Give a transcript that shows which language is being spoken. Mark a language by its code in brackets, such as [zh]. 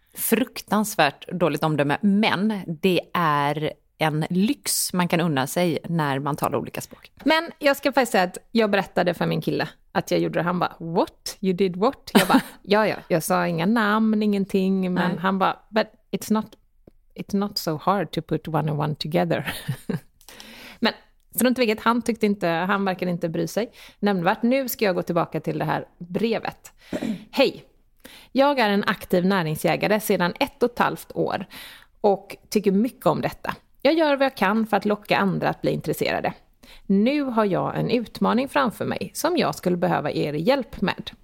[sv] Fruktansvärt dåligt omdöme, men det är en lyx man kan unna sig när man talar olika språk. Men jag ska faktiskt säga att jag berättade för min kille att jag gjorde det. Han bara, [en] what? You did what? [sv] Jag bara, ja, ja. Jag sa inga namn, ingenting. Men nej. Han bara, [en] but it's not so hard to put one and one together. [sv] Men strunt vilket, han verkade inte bry sig nämnvärt. Nu ska jag gå tillbaka till det här brevet. Hej, jag är en aktiv näringsjägare sedan 1,5 år och tycker mycket om detta. Jag gör vad jag kan för att locka andra att bli intresserade. Nu har jag en utmaning framför mig som jag skulle behöva er hjälp med.